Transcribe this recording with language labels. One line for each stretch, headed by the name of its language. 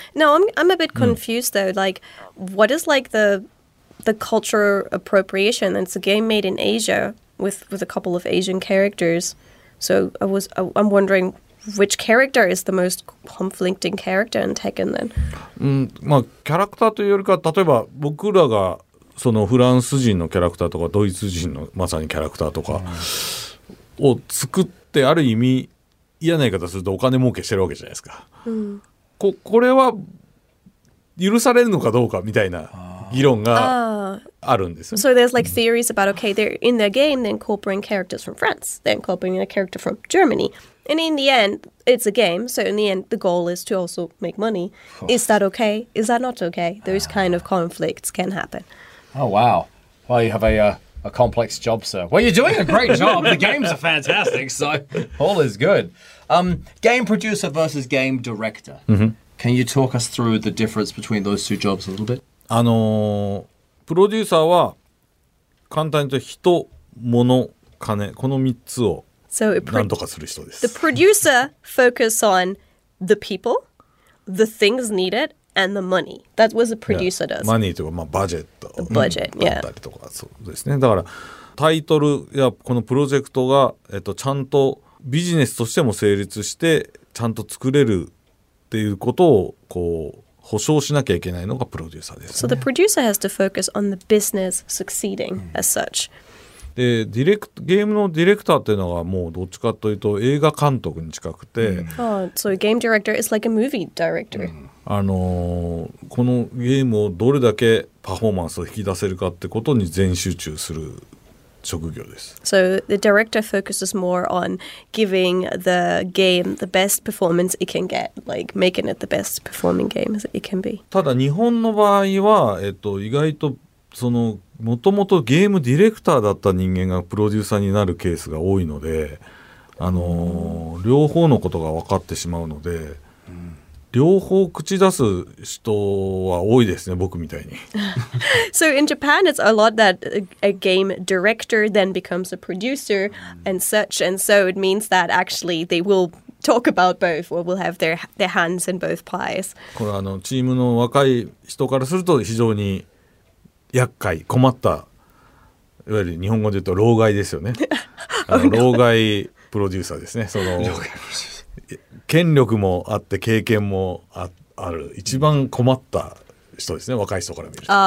English: No, I'm a bit confused though. Like, what is like the culture appropriation? It's a game made in Asia with a couple of Asian characters. So I'm wondering... Which character is the most conflicting character in Tekken then?
Japanese: キャラクターというよりか、例えば僕らがそのフランス人のキャラクターとかドイツ人のまさにキャラクターとかを作ってある意味嫌な言い方するとお金儲けしてるわけじゃないですか。これは許されるのかどうかみたいな議論があるんですよ。
English: So there's like theories about, okay, they're in their game, then incorporating characters from France, then incorporating a character from Germany. And in the end, it's a game. So in the end, the goal is to also make money. Is that okay? Is that not okay? Those kind of conflicts can happen. Oh, wow. Well, you have a complex job, sir. Well, you're doing a great job. The games are fantastic. So all is good. Game producer versus game director. Can you talk us through the difference between those two jobs a little bit?
Japanese: プロデューサーは簡単に言うと人、物、金、この3つを
English: The producer focuses on the people, the things needed, and the money. That's what the producer does.
Japanese: Money とか、バジェット。
English: The budget,
Japanese: だったりとか、そうですね。だから、タイトルやこのプロジェクトが、ちゃんとビジネスとしても成立して、ちゃんと作れるっていうことを、こう、保証しなきゃいけないのがプロデューサーですね。
English: So the producer has to focus on the business succeeding as such.
Japanese: でディレクゲームのディレクターっていうのがもうどっちかというと映画監督に近くて、
English: So game director is like a movie director.
Japanese: このゲームをどれだけパフォーマンスを引き出せるかってことに全集中する職業です。
English: So the director focuses more on giving the game the best performance it can get, like making it the best performing game it can be.
Japanese: ただ日本の場合は意外とそのもともとゲームディレクターだった人間がプロデューサーになるケースが多いので、両方のことが分かってしまうので、両方口出す人は多いですね、僕みたいに。
English: So in Japan, it's a lot that a game director then becomes a producer and such, and so it means that actually they will talk about both, or will have their hands in both pies.
Japanese: これはチームの若い人からすると非常に厄介困ったいわゆる日本語で言うと老害ですよね老害プロデューサーですねその権力もあって経験も ある一番困った人ですね若い人から見ると